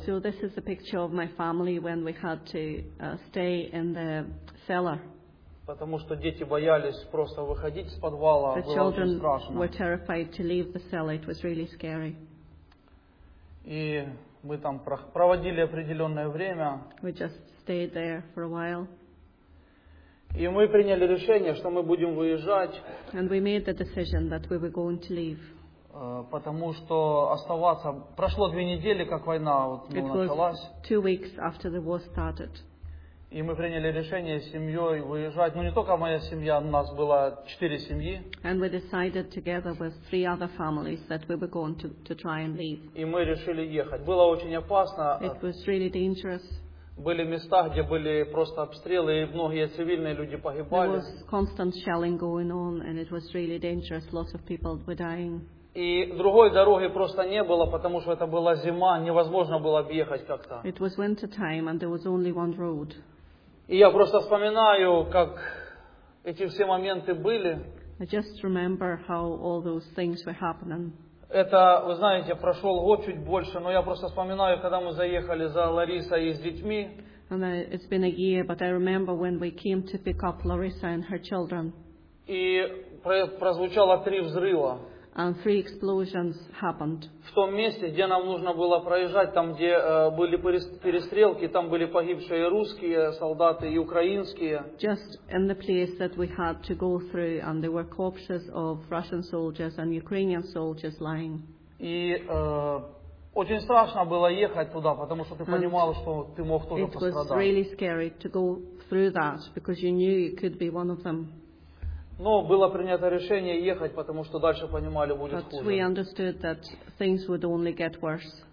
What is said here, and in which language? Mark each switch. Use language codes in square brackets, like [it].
[en] So this is a picture of my family when we had to stay in the cellar. [ru] Потому что дети боялись просто выходить из подвала. [en] The children were terrified to leave the cellar. It was really scary. [ru] И мы там проводили определенное время. [en] We just stayed there for a while. [ru] И мы приняли решение, что мы будем выезжать. [en] And we made the decision that we were going to leave. [ru] Потому что оставаться прошло две недели, как война началась. [en] Two weeks after the war started. [ru] И мы приняли решение с семьей выезжать. Ну не только моя семья, у нас было четыре семьи. [en] And we decided together with three other families that we were going to try and leave. [ru] И мы решили ехать. Было очень опасно. [en] It was really dangerous. [ru] Были места, где были просто обстрелы, и многие цивильные люди погибали. [en] There was constant shelling going on, and it was really dangerous. Lots of people were dying. [ru] И другой дороги просто не было, потому что это была зима, невозможно было объехать как-то. [en] It was winter time, and there was only one road. [ru] И я просто вспоминаю, как эти все моменты были. [en] I just remember how all those things were happening. [ru] Это, вы знаете, прошел год чуть больше, но я просто вспоминаю, когда мы заехали за Ларисой и с детьми. [en] And it's been a year, but I remember when we came to pick up Larissa and her children. [ru] И прозвучало три взрыва. [en] And three explosions happened. [ru] В том месте, где нам нужно было проезжать, там, где были перестрелки, там были погибшие русские солдаты и украинские. [en] Just in the place that we had to go through, and there were corpses of Russian soldiers and Ukrainian soldiers lying. [ru] И очень страшно было ехать туда, потому что ты понимал, что ты мог тоже пострадать. [en] It was really scary to go through that because you knew you could be one of them. [ru] Но было принято решение ехать, потому что дальше понимали, будет хуже. [en] But we understood that things would only get worse.